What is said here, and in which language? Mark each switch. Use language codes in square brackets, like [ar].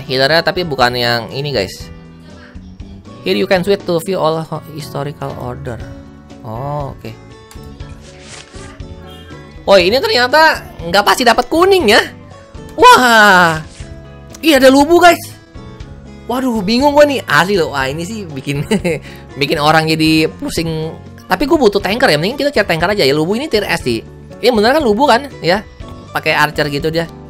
[id] Healernya tapi bukan yang ini, guys. [en] Here you can switch to view all historical order. Oh, oke. Okay. [id] Oh, ini ternyata nggak pasti dapat kuning ya. Wah. Ih, ada Lubu, guys. Waduh, bingung gua nih. Asli loh. Wah, ini sih bikin bikin orang jadi pusing. Tapi gua butuh tanker ya. Mending kita cari tanker aja ya. Lubu ini tier S sih. Ini bener kan Lubu kan? Ya. Pakai archer gitu dia.